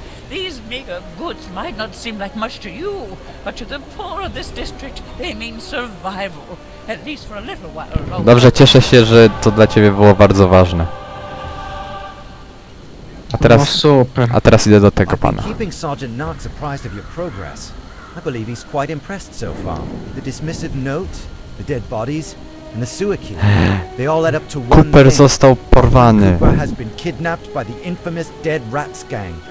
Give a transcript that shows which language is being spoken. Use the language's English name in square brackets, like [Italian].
[English] These meager goods might not seem like much to you, but to the poor of this district they mean survival, at least for a little while longer. [Polish] Dobrze, cieszę się, że to dla ciebie było bardzo ważne. A teraz, no super. A teraz idę do tego pana. [English] Keeping Sergeant Knox apprised of your progress. I believe he's quite impressed so far. The dismissive note, the dead bodies, and the sewer key. They all add up to one. [Polish] Cooper został porwany. [English] Cooper has been kidnapped by the infamous Dead Rats gang.